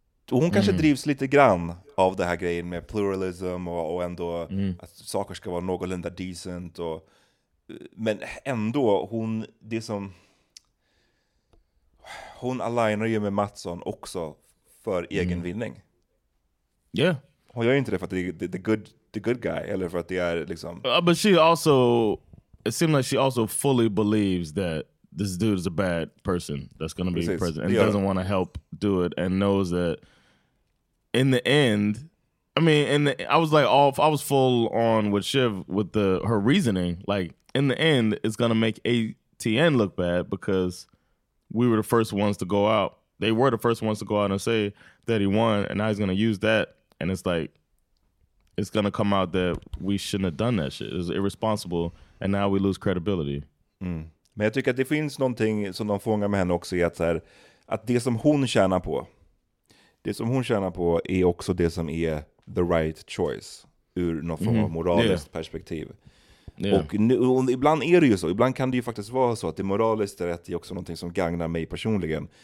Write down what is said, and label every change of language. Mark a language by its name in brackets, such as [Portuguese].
[Swedish] Och hon kanske drivs lite grann av det här grejen med pluralism och ändå att saker ska vara någorlunda decent. Och, men ändå, hon, det som, hon alignar ju med Mattsson också för egen vinning. Hon gör ju inte det för att det är [English] the good guy [Swedish] eller för att det är liksom... [English] But she also, it seems like she also fully believes that this dude is a bad person that's gonna be president and doesn't want to help do it and knows that in the end, I mean, and I was like, off, I was full on with Shiv with the her reasoning. Like, in the end, it's gonna make ATN look bad because we were the first ones to go out. They were the first ones to go out and say that he won, and now he's gonna use that. And it's like, it's gonna come out that we shouldn't have done that shit. It was irresponsible, and now we lose credibility. [Swedish] Men jag tycker att det finns någonting som de fångar med henne också i att, så här, att det som hon tjänar på. Det som hon tjänar på är också det som är [English] the right choice [Swedish] ur någon form av moraliskt perspektiv. Och, nu, och ibland är det ju så. Ibland kan det ju faktiskt vara så att det moraliskt rätt är också någonting som gagnar mig personligen.